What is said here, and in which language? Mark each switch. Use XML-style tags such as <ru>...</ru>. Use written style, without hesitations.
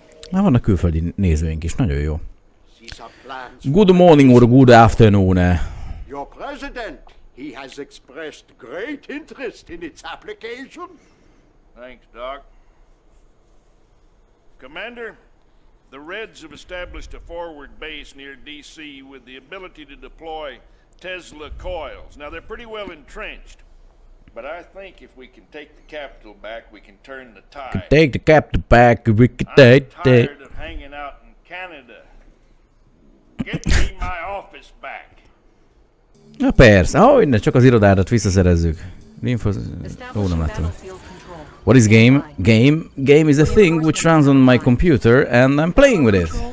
<hu>Na, vannak külföldi nézőink is, nagyon jó.</hu> <en>Good morning or good afternoon. Your president, he has expressed great interest in its application. Thanks, Doc. Commander, the Reds have established a forward base near DC with the ability to deploy Tesla coils. Now, they're pretty well entrenched. But I think if we can take the capital back, we can turn the tide. Can take the capital back, we can take the... I'm tired of hanging out in Canada. Get me my office back.</en> <hu>Na persze, ahogy ne, csak az irodádat visszaszerezzük.</hu> <en>Linfos... Oh,</en> <hu>nem láttam.</hu> <en>What is game? Game? Game is a thing which runs on my computer and I'm playing with it.</en>